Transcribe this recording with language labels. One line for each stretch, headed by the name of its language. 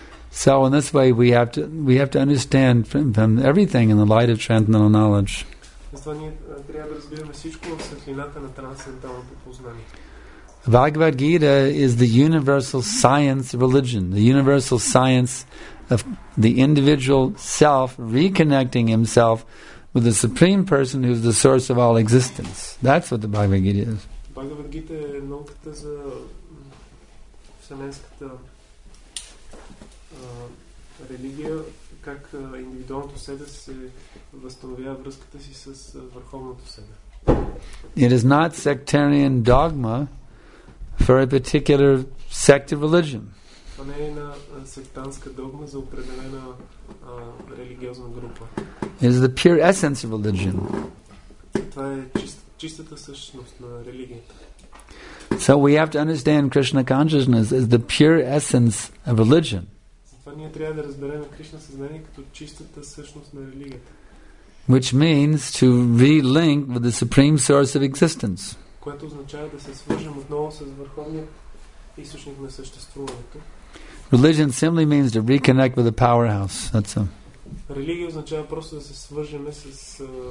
English: So in this way we have to understand from everything in the light of transcendental knowledge.
Bulgarian: Трябва да разбираме всичко в светлината на трансценденталното познание.
English: Bhagavad Gita is the universal science religion, the universal science of the individual self reconnecting himself with the Supreme Person who is the source of all existence. That's what the Bhagavad Gita is. Bhagavad Gita is
Bulgarian: науката за вселенската религия, как индивидуалното себе се възстановява връзката си с върховното себе.
English: It is not sectarian dogma for a particular sect of religion.
Bulgarian: Това не е една сектантска догма за определена религиозна група.
English: It is the pure essence of religion.
Bulgarian: Това е чистата същност на религията.
English: So we have to understand Krishna consciousness as the pure essence of religion.
Bulgarian: Затова ние трябва да разберем Кришна съзнание като чистата същност на религията.
English: Which means to re-link with the supreme source of existence.
Bulgarian: Което означава да се свържем отново с върховния източник на съществуването.
English: Religion simply means to reconnect with the powerhouse. That's a.
Bulgarian: Религия означава просто да се свържем с